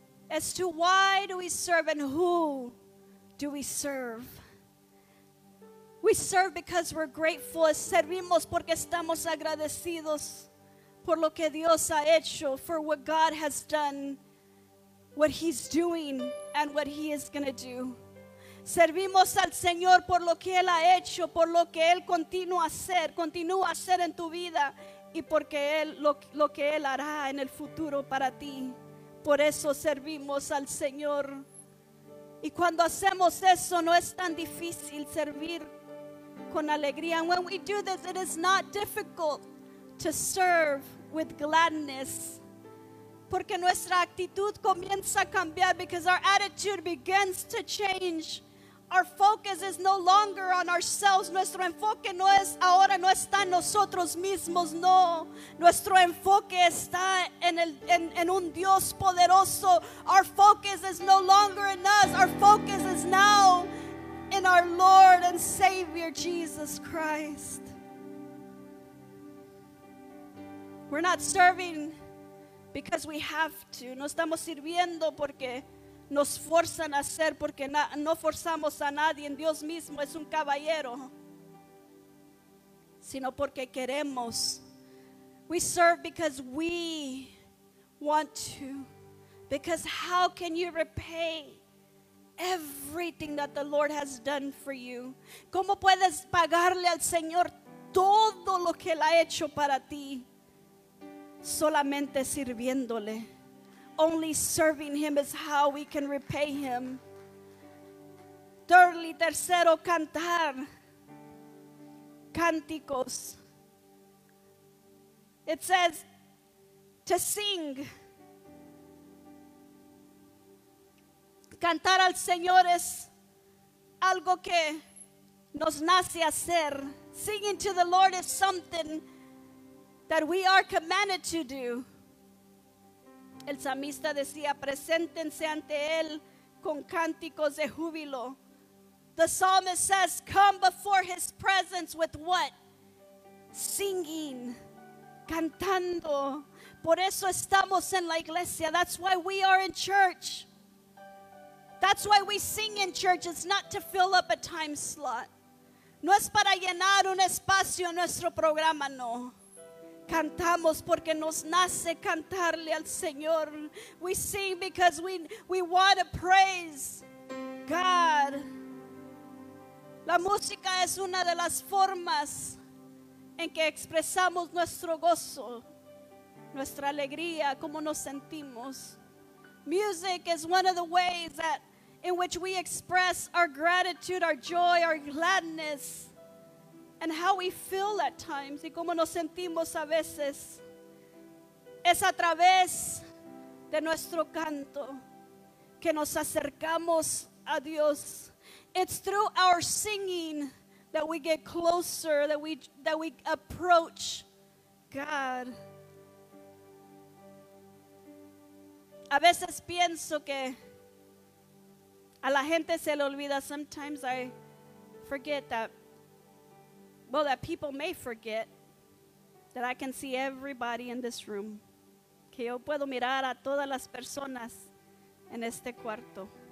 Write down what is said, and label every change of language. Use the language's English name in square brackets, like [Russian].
[English] As to why do we serve and who do we serve? We serve because we're grateful. [Spanish] Servimos porque estamos agradecidos por lo que Dios ha hecho, [English] for what God has done, what He's doing and what He is going to do. [Spanish] Servimos al Señor por lo que Él ha hecho, por lo que Él continúa a hacer en tu vida. Y porque lo que Él hará en el futuro para ti. Por eso servimos al Señor. Y cuando hacemos eso, no es tan difícil servir con alegría. [English] And when we do this, it is not difficult to serve with gladness. [Spanish] Porque nuestra actitud comienza a cambiar. [English] Because our attitude begins to change. Our focus is no longer on ourselves. [Spanish] Nuestro enfoque no es ahora, no está en nosotros mismos, no. Nuestro enfoque está en un Dios poderoso. [English] Our focus is no longer in us. Our focus is is now in our Lord and Savior Jesus Christ. We're not serving because we have to. [Spanish] No estamos sirviendo porque nos forzan a hacer, porque no forzamos a nadie. Dios mismo es un caballero. Sino porque queremos. [English] We serve because we want to. Because how can you repay everything that the Lord has done for you? [Spanish] ¿Cómo puedes pagarle al Señor todo lo que Él ha hecho para ti? Solamente sirviéndole. [English] Only serving Him is how we can repay Him. Thirdly, [Spanish] tercero, cantar. Cánticos. [English] It says to sing. [Spanish] Cantar al Señor es algo que nos nace hacer. [English] Singing to the Lord is something that we are commanded to do. [Spanish] El salmista decía, preséntense ante él con cánticos de júbilo. [English] The psalmist says, come before his presence with what? Singing, [Spanish] cantando. Por eso estamos en la iglesia. [English] That's why we are in church. That's why we sing in church. It's not to fill up a time slot. [Spanish] No es para llenar un espacio en nuestro programa, no. Cantamos porque nos nace cantarle al Señor. [English] We sing because we want to praise God. [Spanish] La música es una de las formas en que expresamos nuestro gozo, nuestra alegría, cómo nos sentimos. [English] Music is one of the ways that in which we express our gratitude, our joy, our gladness. And how we feel at times. [Spanish] Y cómo nos sentimos a veces. Es a través de nuestro canto que nos acercamos a Dios. [English] It's through our singing that we get closer, that we approach God. [Spanish] A veces pienso que a la gente se le olvida. [English] Sometimes I forget that people may forget that I can see everybody in this room. [Spanish] Que yo puedo mirar a todas las personas en este cuarto.